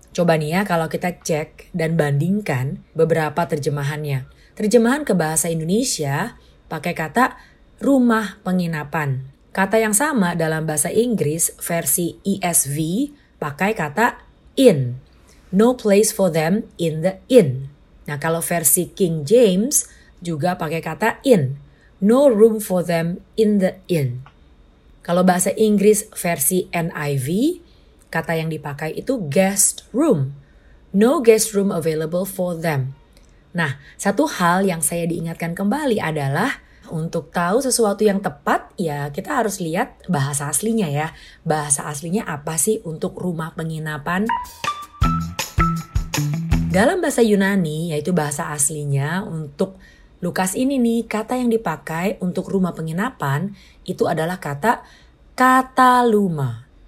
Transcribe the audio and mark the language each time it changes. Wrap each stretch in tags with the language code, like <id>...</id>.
<id>Coba nih ya kalau kita cek dan bandingkan beberapa terjemahannya. Terjemahan ke bahasa Indonesia pakai kata rumah penginapan. Kata yang sama dalam bahasa Inggris versi ESV pakai kata inn.</id> <en>No place for them in the inn.</en> <id>Nah kalau versi King James juga pakai kata inn.</id> <en>No room for them in the inn.</en> <id>Kalau bahasa Inggris versi NIV, kata yang dipakai itu guest room.</id> <en>No guest room available for them.</en> <id>Nah, satu hal yang saya diingatkan kembali adalah untuk tahu sesuatu yang tepat, ya kita harus lihat bahasa aslinya ya. Bahasa aslinya apa sih untuk rumah penginapan? Dalam bahasa Yunani, yaitu bahasa aslinya untuk Lukas ini nih, kata yang dipakai untuk rumah penginapan itu adalah kata kataluma.</id>